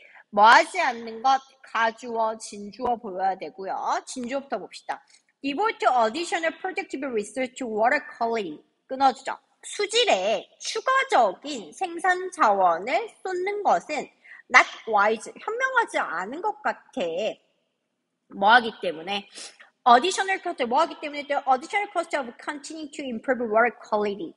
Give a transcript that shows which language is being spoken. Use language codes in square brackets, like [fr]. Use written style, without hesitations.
[ko] 뭐 하지 않는 것, 가주어, 진주어 보여야 되고요. 진주어부터 봅시다. [en] Devote additional productive resource to water quality. [ko] 끊어주죠. 수질에 추가적인 생산 자원을 쏟는 것은 [en] not wise, [ko] 현명하지 않은 것 같아. 뭐 하기 때문에? [en] Additional cost, [ko] 뭐 하기 때문에? [en] The additional cost of continuing to improve water quality.